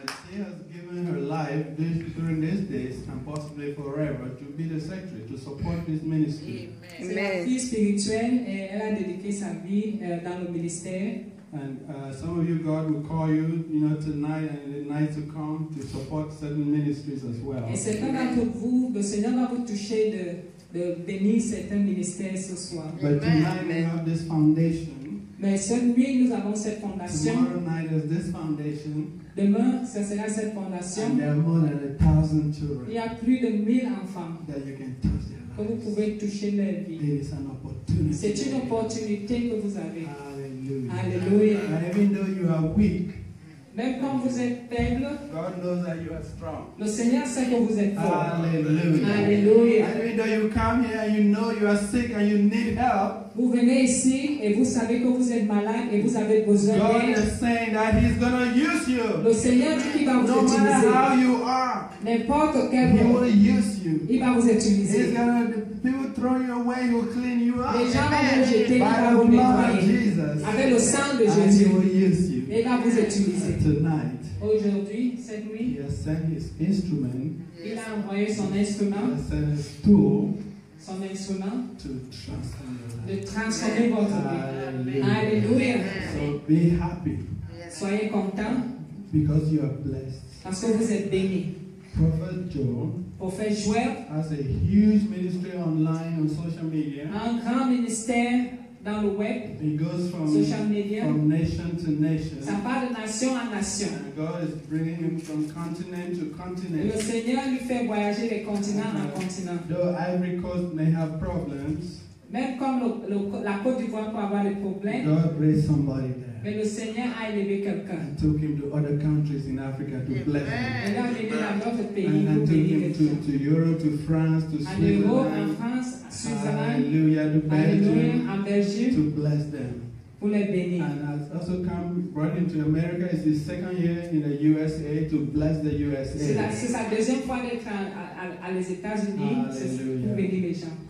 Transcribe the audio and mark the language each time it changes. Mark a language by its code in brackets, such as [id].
[en] She has given her life during these days and possibly forever to be the secretary to support this ministry. Amen. And some of you, God will call you, you know, tonight and the night to come to support certain ministries as well. [fr] Et certains d'entre vous, le Seigneur va vous toucher de bénir certains ministères ce soir. [en] But tonight we have this foundation. [fr] Mais cette nuit, nous avons cette fondation. [en] Tomorrow night is this foundation. [fr] Demain, ce sera cette fondation. [en] And there are more than 1,000 children. [fr] Il y a plus de 1,000 enfants. [en] That you can touch their lives. [fr] Que vous pouvez toucher leur vie. [en] It is an opportunity. [fr] C'est une opportunité que vous avez. [en] Hallelujah. And even though you are weak, [fr] même quand vous êtes faible, [en] God knows that you are strong. [fr] Le Seigneur sait que vous êtes fort. [en] Hallelujah. Hallelujah. And even though you come here and you know you are sick and you need help, [fr] vous venez ici et vous savez que vous êtes malade et vous avez besoin d'aide. [en] God is saying that He's going to use you. [fr] Le Seigneur dit qu'il va vous utiliser. [en] No matter how you are, [fr] n'importe quel [en] He will use you. [fr] Il va vous utiliser. [en] He's going to throw you away, he will clean you up. [fr] Les gens [en] Amen. [fr] Vont jeter, il va [en] the [fr] vous [en] blood of Jesus. [fr] Avec le sang de Jésus. [en] And he will use you. [fr] Il va vous utiliser. [en] Tonight, [fr] aujourd'hui, cette nuit, [en] he has sent his instrument. [fr] Il a envoyé son instrument. [en] He has sent his tool. [fr] Son instrument. [en] To transform your life. [fr] De transformer votre vie. [en] Alléluia. So be happy. [fr] Soyez content. [en] Because you are blessed. [fr] Parce que vous êtes béni. [en] Prophet Joel. Prophet Joel has a huge ministry online on social media. [fr] Un grand ministère dans le web. [en] It goes from social media from nation to nation. [fr] Ça part de nation en nation. [en] And God is bringing him from continent to continent. [fr] Le Seigneur lui fait voyager de continent en continent. [en] Though Ivory Coast may have problems, [fr] même comme la Côte d'Ivoire peut avoir des problèmes, [en] God raised somebody there. [fr] Mais le Seigneur a élevé quelqu'un. [en] And took him to other countries in Africa to bless him. And took him to Europe, to France, to Switzerland. Hallelujah, to Belgium, Belgium. To bless them. [fr] Pour les bénir. [en] And has also come brought him to America. It's his second year in the USA to bless the USA. [fr] C'est sa deuxième fois d'être à les États-Unis pour bénir les gens.